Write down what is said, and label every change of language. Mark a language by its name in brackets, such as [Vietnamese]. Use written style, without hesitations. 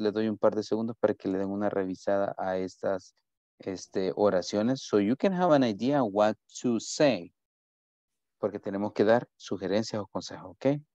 [Spanish] Le doy un par de segundos para que le den una revisada a estas oraciones. [English] So you can have an idea what to say. [Spanish] Porque tenemos que dar sugerencias o consejos, okay?